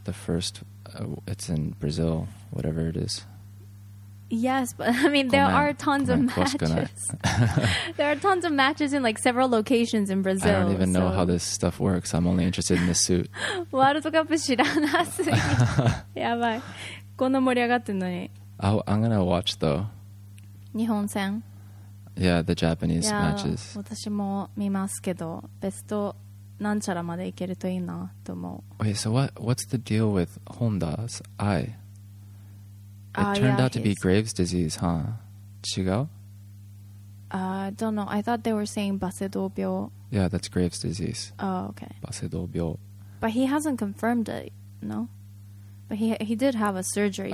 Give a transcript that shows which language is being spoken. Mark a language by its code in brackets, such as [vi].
[en] The first, it's in Brazil, whatever it is. Yes, but I mean, there are tons of matches. There are tons of matches in like several locations in Brazil. I don't even know how this stuff works. I'm only interested in the suit. [ja] World Cup 知らなすぎ。やばい。こんな盛り上がってんのに。 [en] I'm gonna watch though. [ja] 日本戦? [en] Yeah, the Japanese matches. [ja] 私も見ますけど、ベストなんちゃらまでいけるといいなと思う。 [en] Wait, so what's the deal with Honda's eye? It turned out to be Graves' disease, huh? [ja] 違う? [en] I don't know. I thought they were saying Basedo 病. Yeah, that's Graves' disease. Oh, okay. [ja] Basedo 病. [en] But he hasn't confirmed it, no? But he did have a surgery.